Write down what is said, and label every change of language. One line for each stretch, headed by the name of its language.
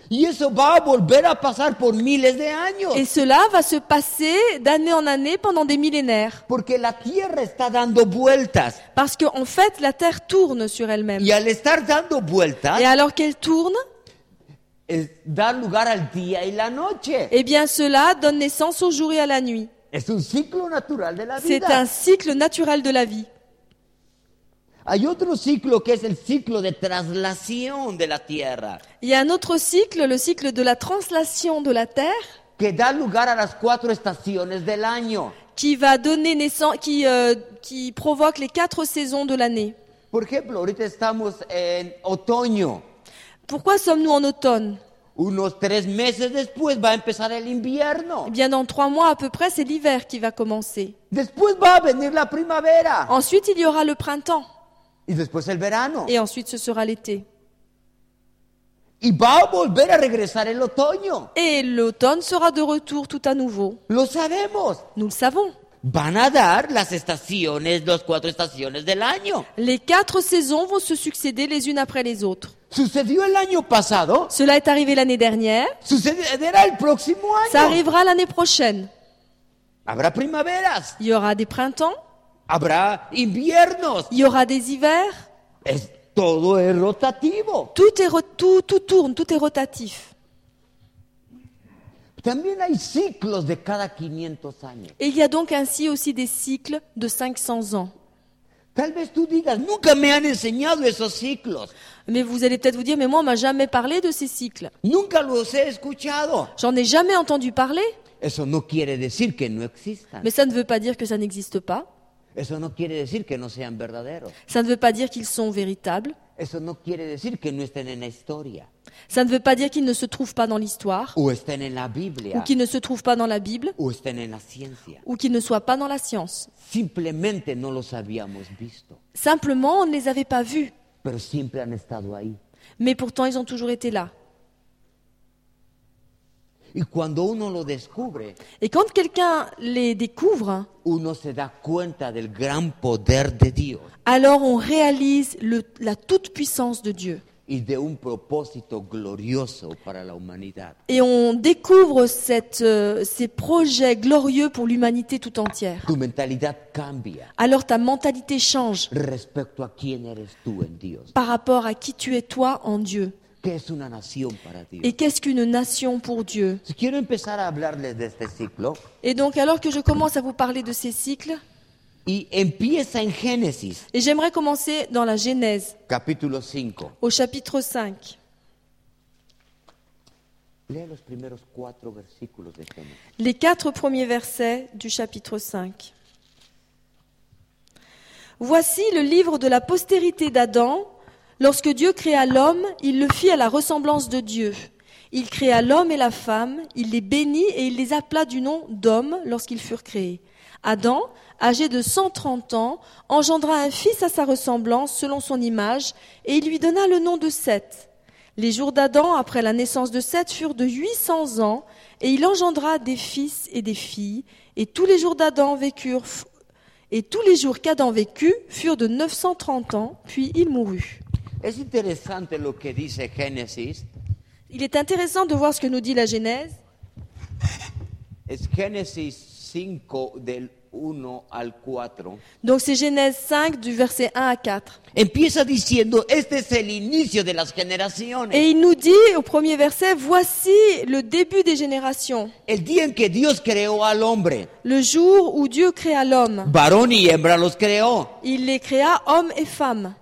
Spanish: Y eso va a volver a pasar por miles de años.
French: Et cela va se passer d'année en année pendant des millénaires.
Spanish: Porque la tierra está dando vueltas.
French: Parce que en fait la terre tourne sur elle-même.
Spanish: Y al estar dando vueltas.
French: Et alors qu'elle tourne,
Spanish: da lugar al día y la noche.
French: Eh bien cela donne naissance au jour et à la nuit.
Spanish: Es un ciclo natural de la vida.
French: C'est un cycle naturel de la vie.
Spanish: Hay otro ciclo que es el ciclo de traslación de la tierra.
French: Y un otro ciclo, el ciclo de la translación de la tierra,
Spanish: que da lugar a las 4 estaciones del año.
French: Qui va donner naissance, qui provoque les 4 saisons de l'année.
Spanish: Por ejemplo, ahorita estamos en otoño.
French: Pourquoi sommes-nous en automne?
Spanish: Unos 3 meses después va a empezar el invierno.
French: Et bien dans 3 mois à peu près, c'est l'hiver qui va commencer.
Spanish: Después va a venir la primavera.
French: Ensuite, il y aura le printemps.
Spanish: Y después el verano.
French: Et ensuite ce sera l'été.
Spanish: Y va a volver a regresar el otoño.
French: Et l'automne sera de retour tout à nouveau.
Spanish: Lo sabemos.
French: Nous le savons.
Spanish: Van a dar las estaciones, las 4 estaciones del año.
French: Les 4 saisons vont se succéder les unes après les autres.
Spanish: Sucedió el año pasado.
French: Cela est arrivé l'année dernière.
Spanish: Sucederá el próximo año.
French: Ça arrivera l'année prochaine.
Spanish: Habrá primaveras.
French: Il y aura des printemps.
Spanish: Habrá inviernos.
French: Y aura des hivers.
Spanish: Es todo es rotativo.
French: Tout tourne, tout est rotatif.
Spanish: También hay ciclos de cada 500 años.
French: Et il y a donc ainsi aussi des cycles de 500 ans.
Spanish: Tal vez tú digas, nunca me han enseñado esos ciclos.
French: Mais vous allez peut-être vous dire, mais moi on m'a jamais parlé de ces cycles.
Spanish: Nunca los he escuchado.
French: J'en ai jamais entendu parler.
Spanish: Eso no quiere decir que no existan.
French: Mais ça ne veut pas dire que ça n'existe pas.
Spanish: Eso no quiere decir que no sean verdaderos.
French: Ça ne veut pas dire qu'ils sont véritables.
Spanish: Eso no quiere decir que no estén en la historia.
French: Ça ne veut pas dire qu'ils ne se trouvent pas dans l'histoire.
Spanish: O estén en la Biblia.
French: Ou qu'ils ne se trouvent pas dans la Bible.
Spanish: O estén en la ciencia.
French: Ou qu'ils ne soient pas dans la science.
Spanish: Simplemente no los habíamos visto.
French: Simplement, on ne les avait pas vus.
Spanish: Pero siempre han estado ahí.
French: Mais pourtant, ils ont toujours été là.
Spanish: Y cuando uno lo descubre,
French: et quand quelqu'un les découvre,
Spanish: uno se da cuenta del gran poder de Dios.
French: Alors on réalise la toute-puissance de Dieu.
Spanish: Y de un propósito glorioso para la humanidad.
French: Et on découvre ces projets glorieux pour l'humanité tout entière.
Spanish: Tu mentalidad cambia.
French: Alors ta mentalité change.
Spanish: Respecto a quién eres tú en Dios.
French: Par rapport à qui tu es toi en Dieu. Qu'est-ce une nation
Spanish: para Dios?
French: Et qu'est-ce qu'une nation pour Dieu?
Spanish: Si quiero empezar a hablarles de este ciclo,
French: et donc, alors que je commence à vous parler de ces cycles,
Spanish: y empieza en Génesis,
French: et j'aimerais commencer dans la Genèse,
Spanish: capítulo 5,
French: au chapitre 5.
Spanish: Lea los primeros 4 versículos de Génesis.
French: Les 4 premiers versets du chapitre 5. Voici le livre de la postérité d'Adam. Lorsque Dieu créa l'homme, il le fit à la ressemblance de Dieu. Il créa l'homme et la femme, il les bénit et il les appela du nom d'homme lorsqu'ils furent créés. Adam, âgé de 130 ans, engendra un fils à sa ressemblance selon son image et il lui donna le nom de Seth. Les jours d'Adam après la naissance de Seth furent de 800 ans et il engendra des fils et des filles et tous les jours qu'Adam vécut furent de 930 ans puis il mourut.
Spanish: Es interesante lo que dice Génesis.
French: Il est intéressant de voir ce que nous dit la Genèse.
Spanish: Es Génesis 5 del 1 al 4.
French: Donc c'est Genèse 5 du verset 1 à 4.
Spanish: Empieza diciendo, este es el inicio de las generaciones.
French: Et il nous dit au premier verset, voici le début des générations.
Spanish: El día en que Dios creó al hombre.
French: Le jour où Dieu créa l'homme.
Spanish: Varón y hembra los creó.
French: Il les créa homme et femme.